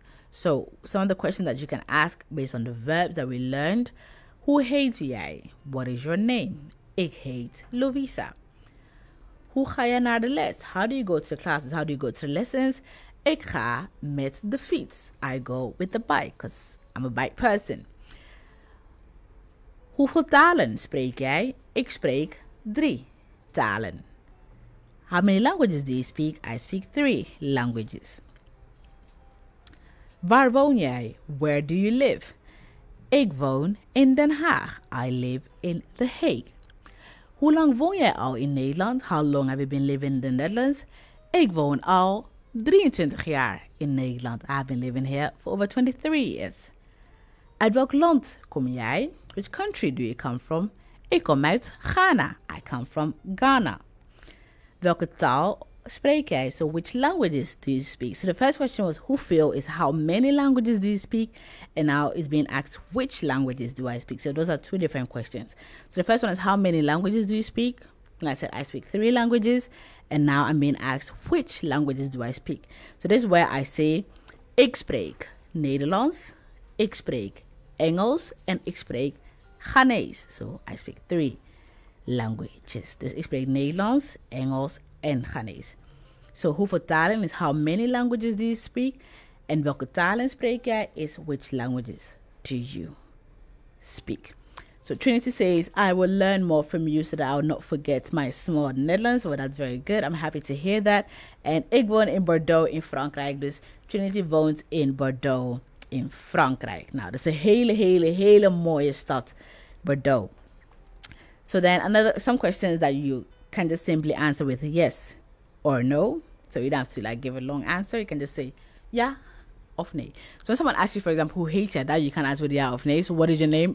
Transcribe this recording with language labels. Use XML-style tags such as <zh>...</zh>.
<en>So, some of the questions that you can ask based on the verbs that we learned.</en> <nl>Hoe heet jij?</nl> <en>What is your name?</en> <nl>Ik heet Louisa. Hoe ga je naar de les?</nl> <en>How do you go to the classes? How do you go to the lessons?</en> <nl>Ik ga met de fiets.</nl> <en>I go with the bike, because I'm a bike person.</en> <nl>Hoeveel talen spreek jij? Ik spreek 3 talen.</nl> <en>How many languages do you speak? I speak 3 languages.</en> <nl>Waar woon jij?</nl> <en>Where do you live?</en> <nl>Ik woon in Den Haag.</nl> <en>I live in The Hague.</en> <nl>Hoe lang woon jij al in Nederland?</nl> <en>How long have you been living in the Netherlands?</en> <nl>Ik woon al 23 jaar in Nederland.</nl> <en>I've been living here for over 23 years.</en> <nl>Uit welk land kom jij?</nl> <en>Which country do you come from?</en> <nl>Ik kom uit Ghana.</nl> <en>I come from Ghana.</en> <nl>Welke taal spreek jij?</nl> <en>So which languages do you speak? So the first question was hoeveel is how many languages do you speak? And now it's being asked which languages do I speak? So those are two different questions. So the first one is how many languages do you speak? And I said I speak 3 languages. And now I'm being asked which languages do I speak? So this is where I say</en> <nl>ik spreek Nederlands. Ik spreek Engels en ik spreek Ghanese.</nl> <en>So I speak 3 languages.</en> <nl>Dus ik spreek Nederlands, Engels en Ghanese.</nl> <en>So</en> <nl>hoeveel talen</nl> <en>is how many languages do you speak?</en> <nl>En welke talen spreek jij</nl> <en>is which languages do you speak? So Trinity says, I will learn more from you so that I will not forget my small Netherlands. Well, that's very good. I'm happy to hear that.</en> <nl>And ik woon in Bordeaux in Frankrijk. Dus Trinity woont in Bordeaux in Frankrijk. Nou, dat is een hele mooie stad, Bordeaux.</nl> <en>So then, some questions that you can just simply answer with yes or no. So you don't have to like give a long answer. You can just say</en> <nl>ja of nee.</nl> <en>So when someone asks you, for example, who hates you, that you can answer with</en> <nl>ja of nee.</nl> <en>So what is your name?</en>